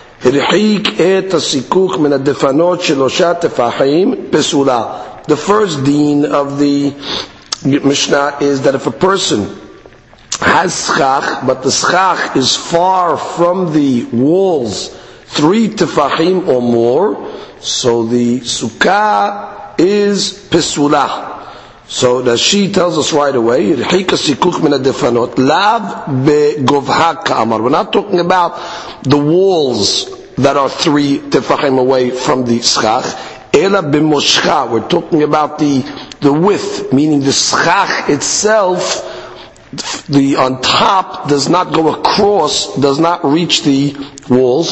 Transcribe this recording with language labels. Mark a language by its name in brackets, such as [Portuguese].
[Hebrew] הרחיק את הסיכוך מן הדפנות שלושה תפחים פסולה. [English] The first din of the Mishnah is that if a person has schach, but the schach is far from the walls, three tefachim or more, so the sukkah is pesula. So Rashi tells us right away, [Hebrew] הרחיק הסיכוך מן הדפנות, לאו בגובהה כאמר. [English] We're not talking about the walls that are three tefachim away from the schach. [Hebrew] Ela b'moshcha, [English] we're talking about the width, meaning the schach itself, the on top does not go across, does not reach the walls.